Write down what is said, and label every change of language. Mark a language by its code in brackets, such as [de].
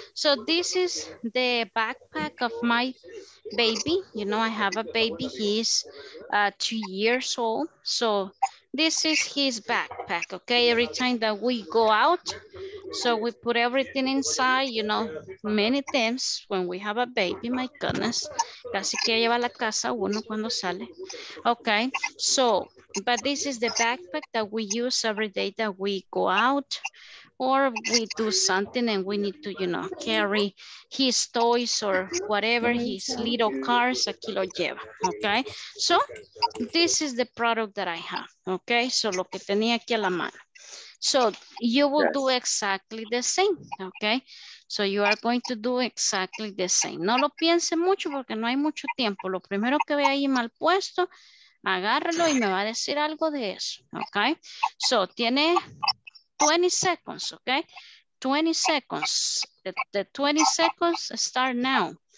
[en] So this is the backpack of my baby. You know, I have a baby, he's 2 years old. So this is his backpack, okay? Every time that we go out, so we put everything inside, you know, many times when we have a baby, my goodness. [es] Casi que lleva la casa uno cuando sale. [en] Okay, so, but this is the backpack that we use every day that we go out. Or we do something and we need to, you know, carry his toys or whatever, his little cars, [es] aquí lo lleva, [en] okay? So, this is the product that I have, okay? [es] So, lo que tenía aquí a la mano. [en] So, you will do exactly the same, okay? So, you are going to do exactly the same. [es] No lo piense mucho porque no hay mucho tiempo. Lo primero que ve ahí mal puesto, agárralo y me va a decir algo de eso, okay? [en] So, [es] tiene... [en] 20 seconds, okay? 20 seconds. The 20 seconds start now.